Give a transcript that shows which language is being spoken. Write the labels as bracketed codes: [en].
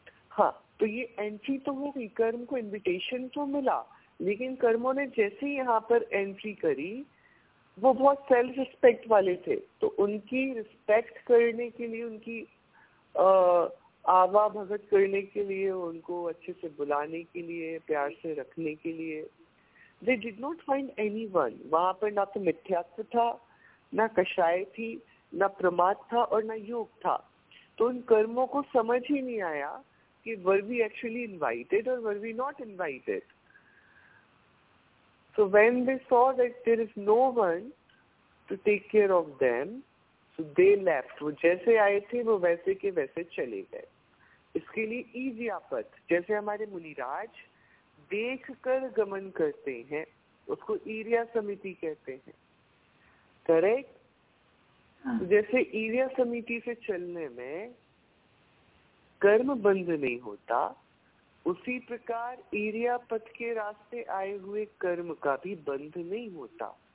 [hi] हाँ, तो ये एंट्री तो हो गई, कर्म को इनविटेशन तो मिला, लेकिन कर्मों ने जैसे ही यहाँ पर एंट्री करी, वो बहुत सेल्फ रिस्पेक्ट वाले थे, तो उनकी रिस्पेक्ट करने के लिए, उनकी आवा भगत करने के लिए, उनको अच्छे से बुलाने के लिए, प्यार से रखने के लिए, [en] they did not find any one [hi] वहां पर, ना तो मिथ्यात्व था, ना कषाय थी, ना प्रमाद था और ना योग था। तो उन कर्मों को समझ ही नहीं आया कि [en] were we actually invited [hi] और [en] Were we not invited. So when they saw that there is no one to take care of them, so they left. [hi] वो जैसे आए थे वो वैसे के वैसे चले गए। इसके लिए ईर्यापथ, जैसे हमारे मुनिराज देख कर गमन करते हैं, उसको ईर्या समिति कहते हैं, करेक्ट। हाँ. जैसे ईर्या समिति से चलने में कर्म बंद नहीं होता, उसी प्रकार ईर्यापथ के रास्ते आए हुए कर्म का भी बंध नहीं होता।